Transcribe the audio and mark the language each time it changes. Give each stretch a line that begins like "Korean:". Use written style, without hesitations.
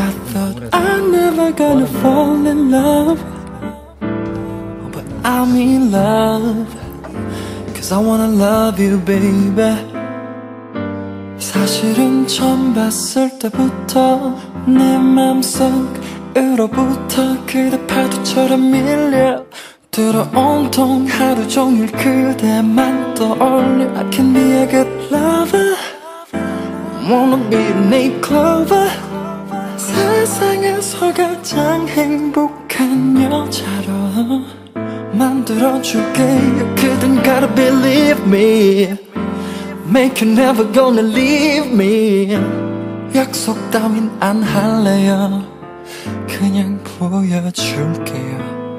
English: I thought I'm never gonna fall in love, but I'm in love, cause I wanna love you baby.
Korean: 사실은 처음 봤을 때부터 내 맘속으로부터 그대 파도처럼 밀려 들어 온통 하루 종일 그대만 떠올려.
English: I can be a good lover, wanna be a new clover.
Korean: 세상에서 가장 행복한 여자로 만들어줄게. 그댄
English: gotta believe me, make you never gonna leave me.
Korean: 약속 따윈 안 할래요, 그냥 보여줄게요.